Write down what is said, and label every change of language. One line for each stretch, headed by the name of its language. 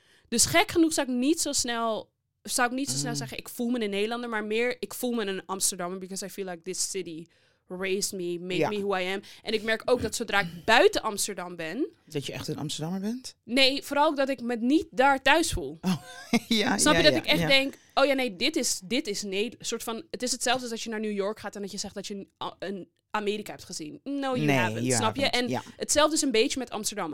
Dutch: Dus gek genoeg zou ik niet zo snel zeggen, ik voel me een Nederlander. Maar meer, ik voel me een Amsterdammer.
English: Because I feel like this city raised me, made me who I am.
Dutch: En ik merk ook dat zodra ik buiten Amsterdam ben... Dat je echt een Amsterdammer bent? Nee, vooral ook dat ik me niet daar thuis voel. Oh, ja, Snap je dat ik echt denk... Oh ja, nee, dit is Nederland. Soort van, het is hetzelfde als dat je naar New York gaat en dat je zegt dat je een Amerika hebt gezien.
English: No, you haven't.
Dutch: En hetzelfde is een beetje met Amsterdam.